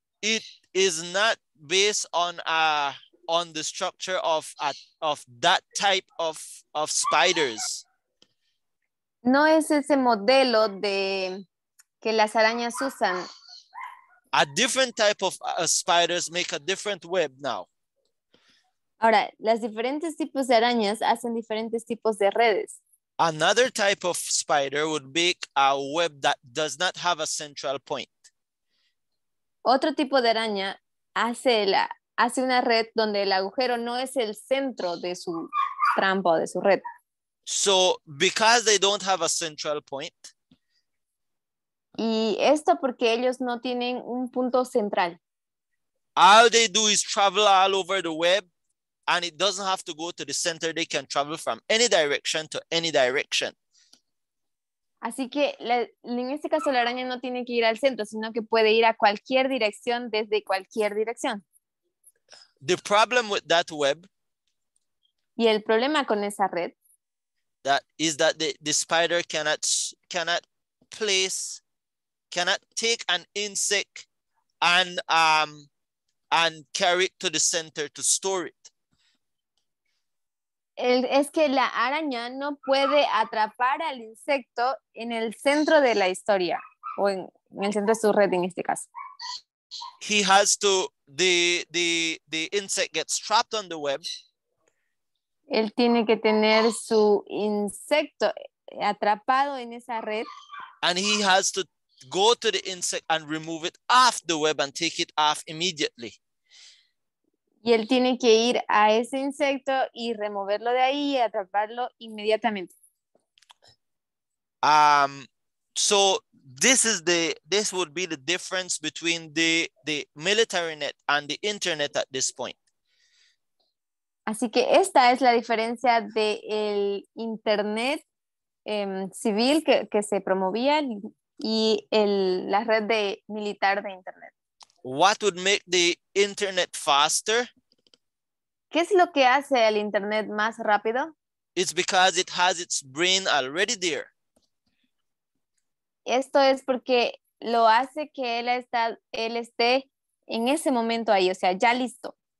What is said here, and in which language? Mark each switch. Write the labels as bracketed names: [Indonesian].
[English] It is not based on the structure of that type of spiders. [Spanish] No es ese modelo de que las arañas usan. [English] A different type of spiders make a different web now. [Spanish] Ahora, las diferentes tipos de arañas hacen diferentes tipos de redes. [English] Another type of spider would make a web that does not have a central point. [Spanish] Otro tipo de araña hace una red donde el agujero no es el centro de su trampa o de su red. [English] So, because they don't have a central point. [Spanish] Y esto porque ellos no tienen un punto central. [English] All they do is travel all over the web. And it doesn't have to go to the center. They can travel from any direction to any direction. [Spanish] Así que en este caso la araña no tiene que ir al centro, sino que puede ir a cualquier dirección desde cualquier dirección. [English] The problem with that web. [Spanish] Y el problema con esa red. [English] That is that the spider cannot take an insect and carry it to the center to store it. [Spanish] Es que la araña no puede atrapar al insecto en el centro de la historia o en el centro de su red en este caso. [English] He has to the insect gets trapped on the web. [Spanish] Él tiene que tener su insecto atrapado en esa red. [English] And he has to go to the insect and remove it off the web and take it off immediately. [Spanish] Y él tiene que ir a ese insecto y removerlo de ahí y atraparlo inmediatamente. [English] So this would be the difference between the military net and the internet at this point. [Spanish] Así que esta es la diferencia de el internet civil que se promovía y la red de militar de internet. [English] What would make the internet faster? [Spanish] ¿Qué es lo que hace el internet más rápido? [English] It's because it has its brain already there. [Spanish] Esto es porque lo hace que él esté en ese momento ahí, o sea, ya listo.